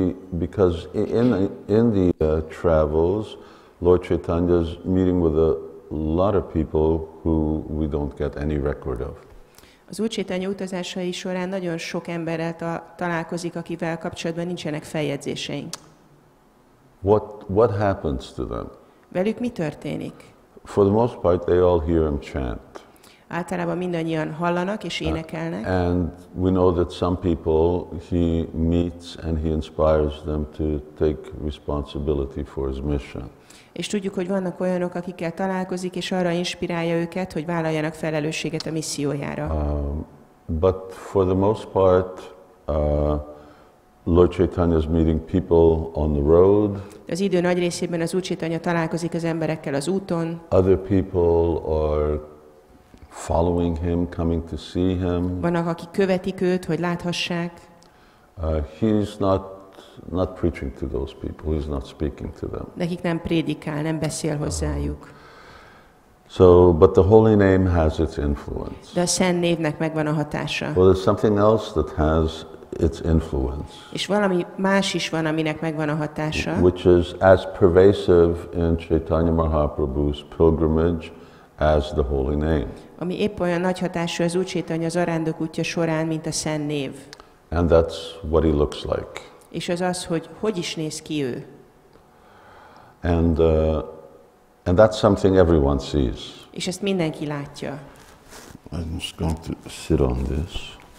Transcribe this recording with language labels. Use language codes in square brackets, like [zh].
[en] Because in the travels, Lord Chaitanya is meeting with a lot of people who we don't get any record of. [hu] Az Úr Chaitanya utazásai során nagyon sok emberrel találkozik, akivel kapcsolatban nincsenek feljegyzéseink. [en] What happens to them? [hu] Velük mi történik? [en] For the most part, they all hear him chant. [hu] általában mindannyian hallanak és énekelnek. [en] And we know that some people he meets and he inspires them to take responsibility for his mission. [hu] És tudjuk, hogy vannak olyanok, akikkel találkozik és arra inspirálja őket, hogy vállaljanak felelősséget a missziójára. [en] But for the most part, Lord Chaitanya is meeting people on the road. [hu] Az idő nagy részében az Úr Chaitanya találkozik az emberekkel az úton. [en] Other people are following him, coming to see him. [hu] Vannak, akik követik őt, hogy láthassák. [en] He's not preaching to those people. He's not speaking to them. [hu] Nekik nem prédikál, nem beszél hozzájuk. [en] So, but the holy name has its influence. [hu] De a szent névnek megvan a hatása. [en] Well, there's something else that has its influence. [hu] És valami más is van, aminek megvan a hatása. [en] Which is as pervasive in Chaitanya Mahaprabhu's pilgrimage as the holy name. [hu] Ami épp olyan nagy hatású az Úr Chaitanya az Arándok útja során, mint a szent név. [en] And that's what he looks like. [hu] És az, hogy is néz ki ő. [en] And that's something everyone sees. [hu] És ezt mindenki látja. [en] I'm just going to sit on this.